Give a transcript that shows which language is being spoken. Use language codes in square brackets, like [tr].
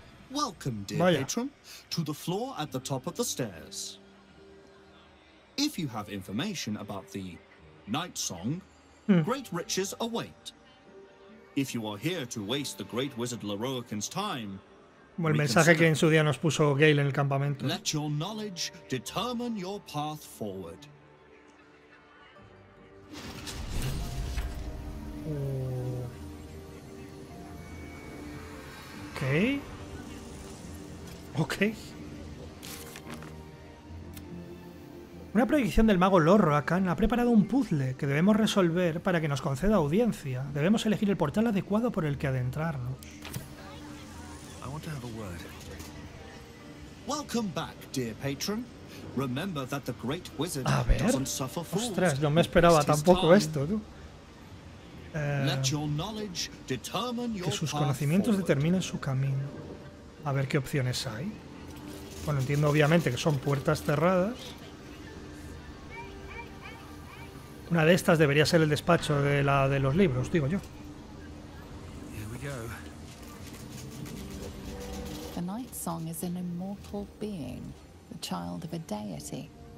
[en] Welcome, dear patron, to the floor at the top of the stairs. If you have information about the Night Song, great riches await. If you are here to waste the great wizard Laroican's time, [es] el mensaje que en su día nos puso Gale en el campamento. [en] Let your knowledge determine your path forward. Okay. Okay. [es] Una predicción del mago Lorroacan ha preparado un puzzle que debemos resolver para que nos conceda audiencia. Debemos elegir el portal adecuado por el que adentrarnos. [en] I want to have a word. Welcome back, dear patron. Remember that the great wizard doesn't suffer fools. [es] Ostras, no me esperaba tampoco esto, tú. Que sus conocimientos determinen su camino. A ver qué opciones hay. Bueno, entiendo obviamente que son puertas cerradas. Una de estas debería ser el despacho de la de los libros, digo yo. [en] Here we go. The Night Song is an immortal being, the child of a deity.